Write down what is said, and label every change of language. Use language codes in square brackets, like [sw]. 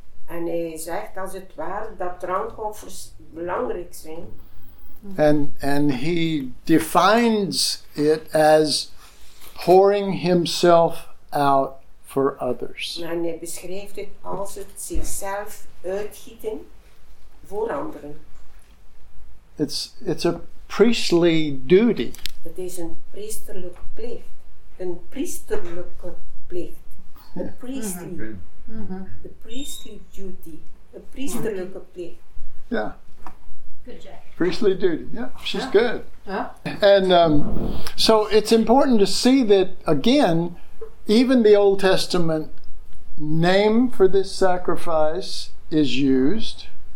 [nl] En hij zegt als het ware dat drankoffers belangrijk zijn. [en] And he defines it as pouring himself out for others. [nl] En hij beschrijft het als het zichzelf uitgieten voor anderen. [en] It's a priestly duty. [nl] Het is een priesterlijke plicht. Een priesterlijke plicht. [en] Een priestly. Mm-hmm. Mm-hmm. The priestly duty. [nl] A priesterlijke plicht. [en] Yeah. Good job. Priestly duty, yeah, she's yeah. good. Yeah. And so it's important to see that, again, even the Old Testament name for this sacrifice is used.